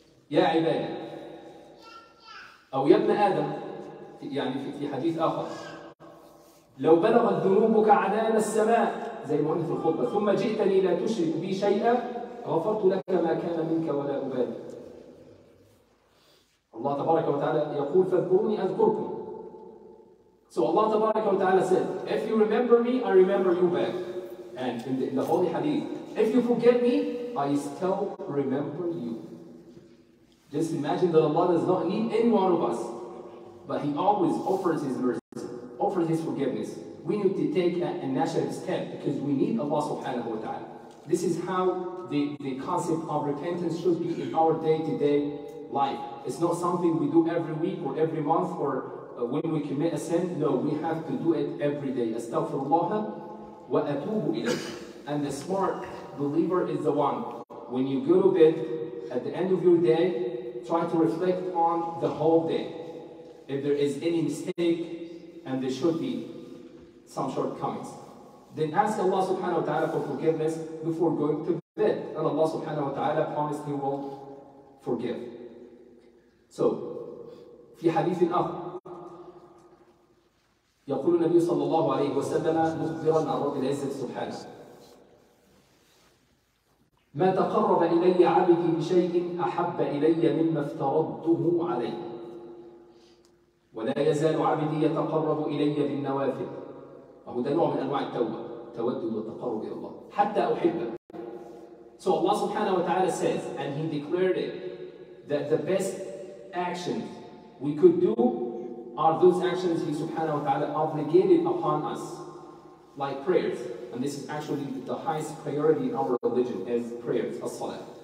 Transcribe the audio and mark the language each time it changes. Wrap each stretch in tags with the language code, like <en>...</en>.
<ar>يا عبادي, أو يا ابن آدم, يعني في حديث آخر, لو بلغت ذنوبك عنان السماء, زي ما قلنا في الخطبة, ثم جئتني لا تشرك بي شيئا غفرت لك ما كان منك ولا أبالي. الله تبارك وتعالى يقول فاذكروني أذكركم.</ar> <en>So Allah tabarak wa ta'ala said, if you remember me, I remember you back. And in the holy hadith, if you forget me, I still remember you. Just imagine that Allah does not need any one of us, but He always offers His mercy, offers His forgiveness. we need to take a national step because we need Allah subhanahu wa ta'ala. This is how the concept of repentance should be in our day-to-day life. It's not something we do every week or every month or when we commit a sin. No, we have to do it every day.</en> <ar>Astaghfirullah wa atubu ilayh.</ar> <en>And the smart believer is the one. When you go to bed, at the end of your day, try to reflect on the whole day. If there is any mistake, and there should be some shortcomings, then ask Allah subhanahu wa ta'ala for forgiveness before going to bed. And Allah subhanahu wa ta'ala promised He will forgive.</en> <ar>So, في حديث آخر يقول النبي صلى الله عليه وسلم مخبرا عن رب العزة سبحانه ما تقرب إلي عبدي بشيء أحب إلي مما افترضته عليه ولا يزال عبدي يتقرب إلي بالنوافل. وهو ده نوع من أنواع التوبة, تودد والتقرب إلى الله حتى أحبه.</ar> <en>So Allah subhanahu wa ta'ala says, and He declared it, that the best actions we could do are those actions He subhanahu wa ta'ala obligated upon us, like prayers. And this is actually the highest priority in our religion, as prayers, as salah.</en>